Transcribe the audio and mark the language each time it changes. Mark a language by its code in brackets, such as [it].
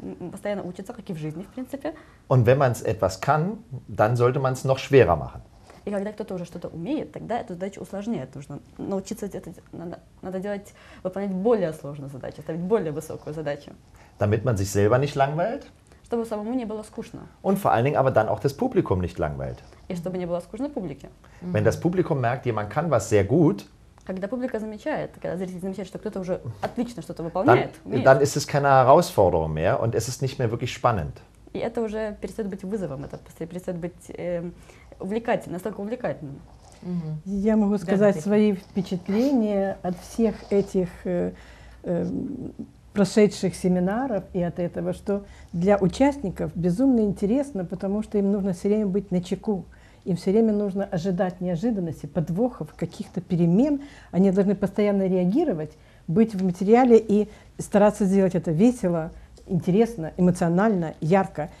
[ru] Постоянно учится, как и в жизни, в принципе. [de] Und wenn man es etwas kann, dann sollte man es noch schwerer machen. [ru] И когда кто-то уже что-то умеет, тогда эту задачу усложняет. Нужно научиться, надо делать, выполнять более сложную задачу, ставить более высокую задачу. [de] Damit man sich selber nicht langweilt. [ru] Чтобы самому не было скучно. [de] Und vor allen Dingen aber dann auch das Publikum nicht langweilt. [ru] И чтобы не было скучно публике. [de] Wenn das Publikum merkt, jemand kann was sehr gut. [ru] Когда публика замечает, когда зритель замечает, что кто-то уже отлично что-то выполняет. [de] Dann ist es keine Herausforderung mehr und es ist nicht mehr wirklich spannend. [ru] И это уже перестает быть вызовом, это перестает быть увлекательным, настолько увлекательным. Я могу сказать свои впечатления от всех этих прошедших семинаров и от этого, что для участников безумно интересно, потому что им нужно все время быть начеку, им все время нужно ожидать неожиданности, подвохов, каких-то перемен, они должны постоянно реагировать, быть в материале и стараться сделать это весело, интересно, эмоционально, ярко.